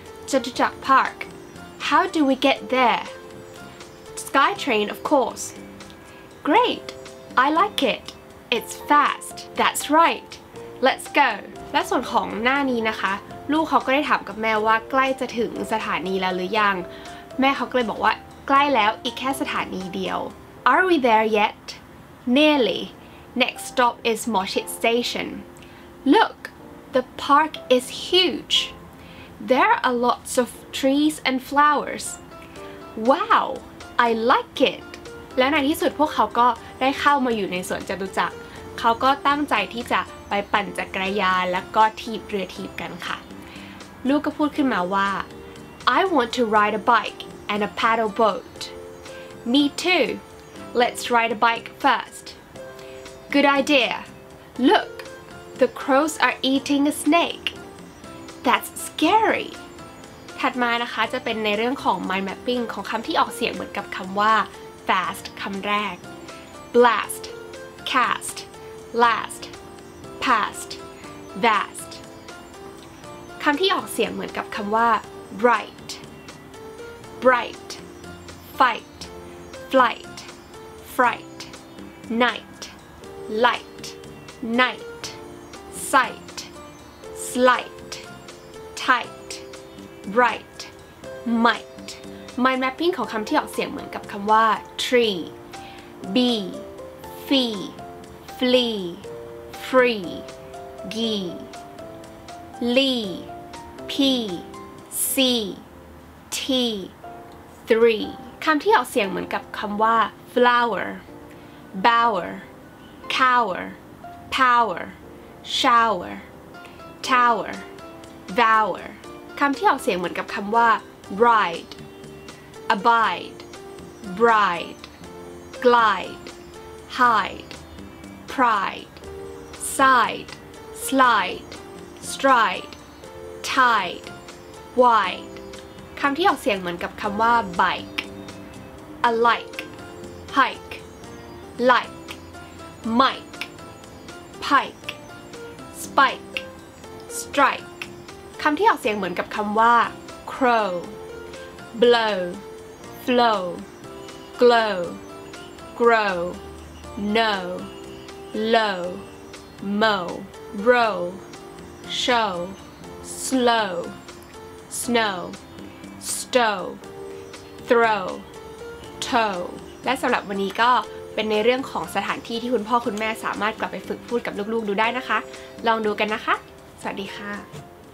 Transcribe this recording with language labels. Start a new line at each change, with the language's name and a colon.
English: Jatujak Park. How do we get there? Sky train, of course. Great. I like it. It's fast. That's right. Let's go.
Thai: และส่วนของหน้านี้นะคะลูกเขาก็ได้ถามกับแม่ว่าใกล้จะถึงสถานีแล้วหรือยังแม่เขาก็เลยบอกว่าใกล้แล้วอีกแค่สถานีเดียว
English: Are we there yet? Nearly. Next stop is Moshit Station. Look. The park is huge. There are lots of trees and flowers. Wow. I like it.
Thai: และในที่สุดพวกเขาก็ได้เข้ามาอยู่ในสวนจตุจักรเขาก็ตั้งใจที่จะไปปั่นจักรยานแล้วก็ถีบเรือถีบกันค่ะลูกก็พูดขึ้นมาว่า
English: I want to ride a bike and a paddle boat. Me too. Let's ride a bike first. Good idea. Look, the crows are eating a snake. That's scary.
Thai: ถัดมานะคะจะเป็นในเรื่องของ mind mapping ของคำที่ออกเสียงเหมือนกับคำว่า fast คำแรก
English: blast, cast, last. Past, vast.
Thai: คำที่ออกเสียงเหมือนกับคำว่า bright,
English: bright, fight, flight, fright, night, light, night, sight, slight, tight, bright, might.
Thai: Mind mapping ของคำที่ออกเสียงเหมือนกับคำว่า tree,
English: be, fee, flee. Free, gee, lee, p, c, t, three.
Thai: คำที่ออกเสียงเหมือนกับคำว่า flower,
English: bower, cower, power, shower, tower, vower.
Thai: คำที่ออกเสียงเหมือนกับคำว่า ride,
English: abide, bride, glide, hide, pride. Side, slide, stride, tide, wide.
Thai: คำที่ออกเสียงเหมือนกับคำว่า bike.
English: Alike, hike, like, mike, pike, spike, strike.
Thai: คำที่ออกเสียงเหมือนกับคำว่า crow,
English: blow, flow, glow, grow, know, low. Mow, row, show, slow, snow, stow, throw, toe.
Thai: และสำหรับวันนี้ก็เป็นในเรื่องของสถานที่ที่คุณพ่อคุณแม่สามารถกลับไปฝึกพูดกับลูกๆดูได้นะคะลองดูกันนะคะสวัสดีค่ะ